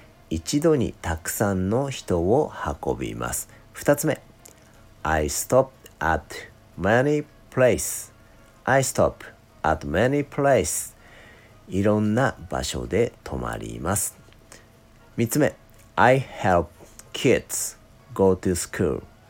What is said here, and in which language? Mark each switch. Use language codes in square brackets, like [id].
[ja] 一度にたくさんの人を運びます。 2つ目、 [en] I stop at many places. [ja] いろんな場所で泊まります。 3つ目、 [en] I help kids go to school.